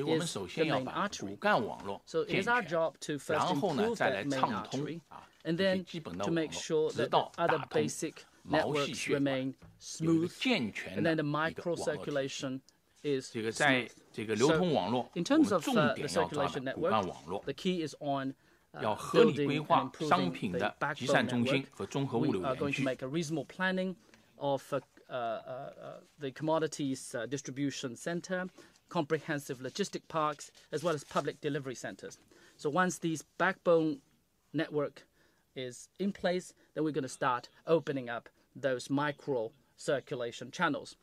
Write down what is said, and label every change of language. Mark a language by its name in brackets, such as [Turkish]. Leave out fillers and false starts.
[Chinese] 所以我们首先要把骨干网络建起来。 [English] So it is our job to first improve that main artery, and then to make sure that other basic networks remain smooth, and then the micro circulation is smooth. [Chinese] 这个流通网络 [English] so, in terms of, [Chinese] 我们重点要抓的骨干网络 [English] the key is on, [Chinese] 要合理规划商品的集散中心和综合物流园区 [English] we are going to make a reasonable planning of the commodities distribution center comprehensive logistic parks as well as public delivery centers so once these backbone network is in place then we're going to start opening up those microcirculation channels.